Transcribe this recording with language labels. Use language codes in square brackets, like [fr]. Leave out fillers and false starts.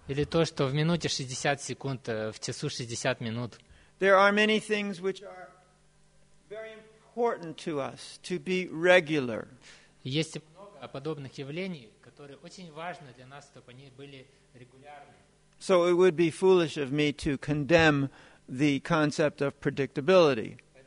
[ru] Или то, что в минуте 60 секунд, в часу 60 минут. [en] There are many things which are very important to us to be regular. [ru] Есть много подобных явлений, которые очень важны для нас, чтобы они были регулярны. [en] So it would be foolish of me to condemn the concept of predictability.